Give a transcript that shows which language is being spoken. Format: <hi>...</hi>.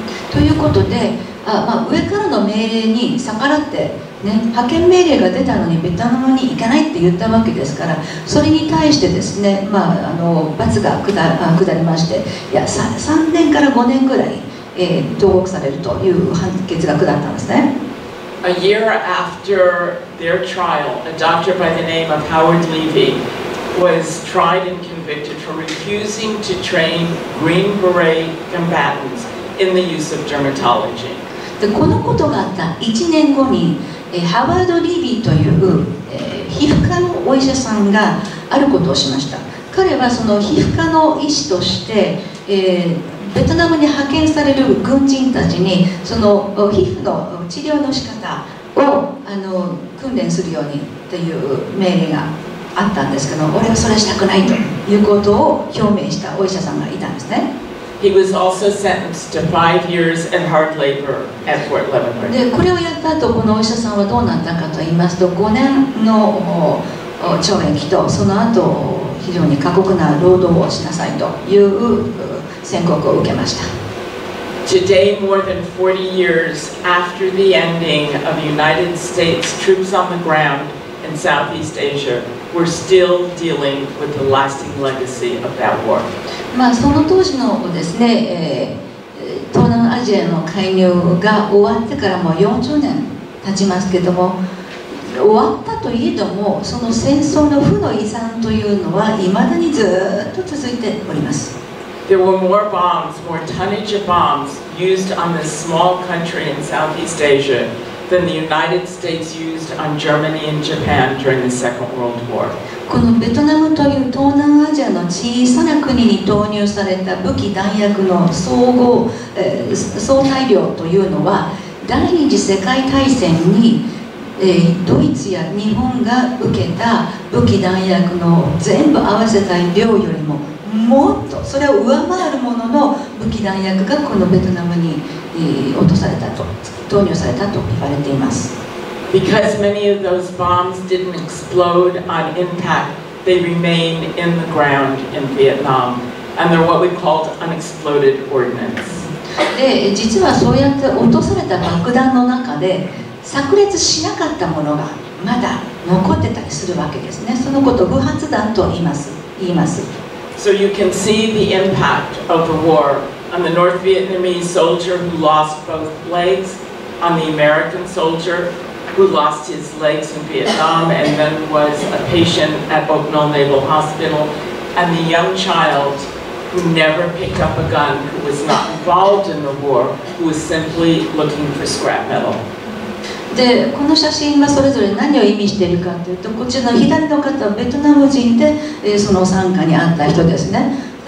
<ja>ということで、上からの命令に逆らって、ね、派遣命令が出たのにベトナムに行かないって言ったわけですから、それに対してですね、罰が下りまして、いや、3年から5年くらい、投獄されるという判決が下ったんですね。</ja> <en>A year after their trial, a doctor by the name of Howard Levy was tried and convicted for refusing to train Green Beret combatants in the use of dermatology.</en> <ja>で、このことがあった1年後に、ハワード・リービーという、皮膚科のお医者さんがあることをしました。彼はその皮膚科の医師として、ベトナムに派遣される軍人たちにその皮膚の治療の仕方を訓練するようにという命令があったんですけど、俺はそれしたくないということを表明したお医者さんがいたんですね。</ja> <en>He was also sentenced to 5 years in hard labor at Fort Leavenworth.</en> <ja>で、これをやった後、このお医者さんはどうなったかと言いますと、5年の懲役と、その後、非常に過酷な労働をしなさいという宣告を受けました。</ja> <en>Today, more than 40 years after the ending of United States troops on the ground in Southeast Asia, we're still dealing with the lasting legacy of that war.</en> <ja>まあ、その当時のですね、東南アジアの介入が終わってからもう40年経ちますけども、終わったといえども、その戦争の負の遺産というのは未だにずっと続いております。</ja> <en>There were more bombs, more tonnage of bombs used on this small country in Southeast Asia than the United States used on Germany and Japan during the Second World War.</en> <ja>このベトナムという東南アジアの小さな国に投入された武器弾薬の総大量というのは、第二次世界大戦に、ドイツや日本が受けた武器弾薬の全部合わせた量よりももっとそれを上回るものの武器弾薬がこのベトナムに落とされたと投入されたと言われています。</ja> <en>Because many of those bombs didn't explode on impact, they remain in the ground in Vietnam, and they're what we called unexploded ordnance.</en> <ja>で、実はそうやって落とされた爆弾の中で炸裂しなかったものがまだ残ってたりするわけですね。そのことを不発弾と言います。</ja> <en>So you can see the impact of the war on the North Vietnamese soldier who lost both legs, on the American soldier who lost his legs in Vietnam and then was a patient at Uplan Naval Hospital, and the young child who never picked up a gun, who was not involved in the war, who was simply looking for scrap metal.</en> <ja>で、この写真はそれぞれ何を意味しているかというと、こちらの左の方はベトナム人で、その傘下にあった人ですね。</ja>